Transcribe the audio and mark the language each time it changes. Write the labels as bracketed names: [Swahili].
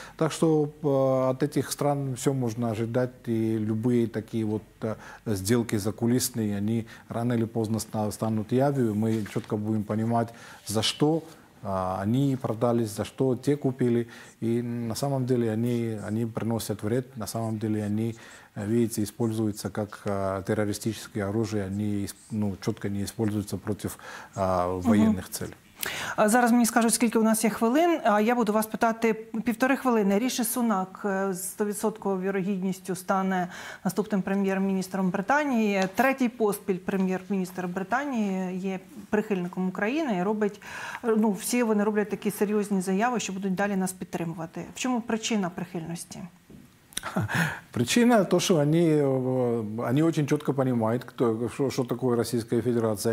[Russian] Так что от этих стран все можно ожидать, и любые такие вот сделки закулисные, они рано или поздно станут явью, мы четко будем понимать, за что они продались, за что те купили, и на самом деле они приносят вред, на самом деле они, видите, используются как террористическое оружие, они четко не используются против военных целей. [Ukrainian] Зараз мені скажуть, скільки у нас є хвилин, а я буду вас питати 1,5 хвилини. Ріші Сунак 100% вірогідністю стане наступним прем'єр-міністром Британії. Третій поспіль прем'єр-міністр Британії є прихильником України і робить, всі вони роблять такі серйозні заяви, що будуть далі нас підтримувати. В чому причина прихильності? [Russian] Причина то, что они очень четко понимают, что такое Российская Федерация.